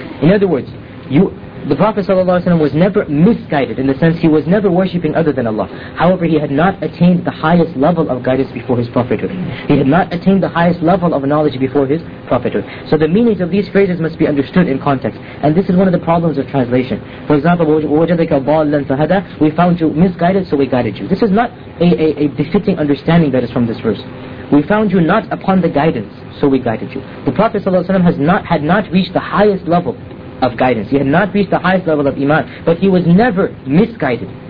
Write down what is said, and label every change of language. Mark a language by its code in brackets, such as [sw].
[en] In other words, the Prophet ﷺ was never misguided, in the sense he was never worshipping other than Allah. However, he had not attained the highest level of guidance before his prophethood. He had not attained the highest level of knowledge before his prophethood. So the meanings of these phrases must be understood in context. And this is one of the problems of translation. For example, [ar] وَوَجَدَكَ ضَالًا فَهَدَى. [en] We found you misguided, so we guided you. This is not a befitting understanding that is from this verse. We found you not upon the guidance, so we guided you. The Prophet ﷺ had not reached the highest level of guidance. He had not reached the highest level of iman. But he was never misguided.